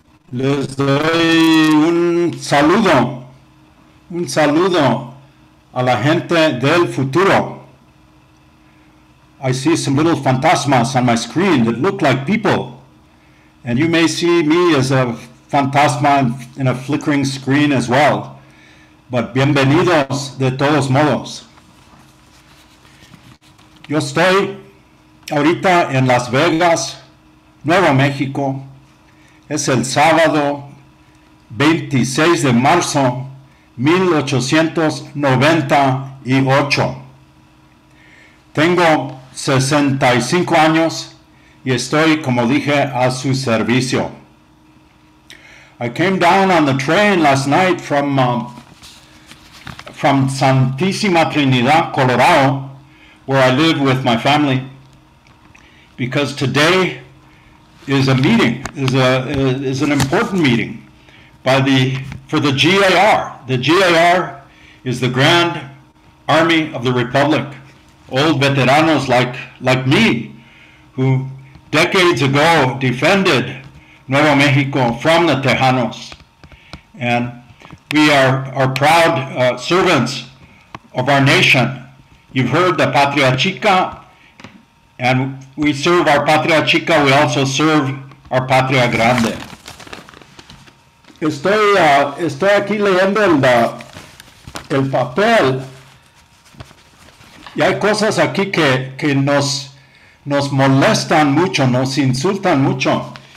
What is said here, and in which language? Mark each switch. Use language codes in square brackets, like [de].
[es] Les doy un saludo a la gente del futuro. [en] I see some little fantasmas on my screen that look like people. And you may see me as a fantasma in a flickering screen as well. But [es] bienvenidos de todos modos. Yo estoy ahorita en Las Vegas, Nuevo México. Es el sábado 26 de marzo 1898. Tengo 65 años y estoy, como dije, a su servicio. [en] I came down on the train last night from Santísima Trinidad, Colorado, where I live with my family, because today is a meeting, is an important meeting for the GAR. The GAR is the Grand Army of the Republic. Old veteranos like me, who decades ago defended Nuevo Mexico from the Tejanos. And we are proud servants of our nation. You've heard the Patria Chica, and we serve our Patria Chica, we also serve our Patria Grande. [es] Estoy aquí leyendo el papel, y hay cosas aquí que nos molestan mucho, nos insultan mucho.